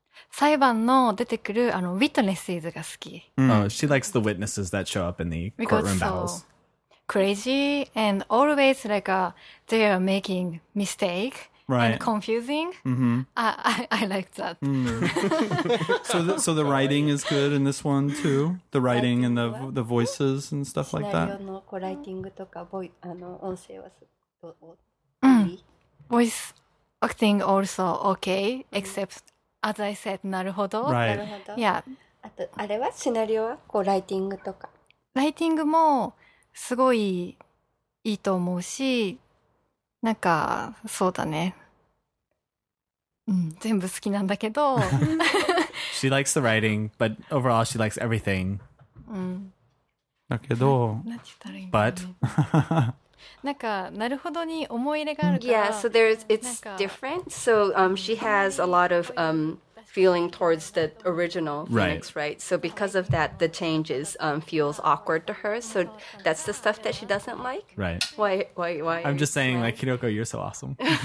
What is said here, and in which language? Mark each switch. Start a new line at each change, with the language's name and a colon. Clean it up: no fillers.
Japanese: 裁判の出てくるあの witnesses が好き。
English: Oh, she likes the witnesses that show up in the courtroom battles. Crazy and always like a, they are making mistake right. and confusing. Mm-hmm. I like that. Mm. So the writing is good in this one too. The writing and the voices and stuff like that.
Japanese: シナリオの writing とか音声はすごい。
English: Voice acting also okay except. As I said,
Japanese: なるほど。
English: Right.
Japanese: なるほど。
English: Yeah.
Japanese: あと、あれはシナリオはこう、ライティングとか。ライティングもすごいいいと思うし、なんか、そうだね。うん、全部好きなんだけど。
English: She likes the writing, but overall she likes everything.
Japanese: うん。だけど、but 。なんかなるほどに思い入れがあるから
English: Yeah, so there's, it's different. So she has a lot of feeling towards the original Phoenix, right? So because of that, the changes feels awkward to her. So that's the stuff that she doesn't like. Right. Why? I'm just saying, like, Hiroko, you're so awesome.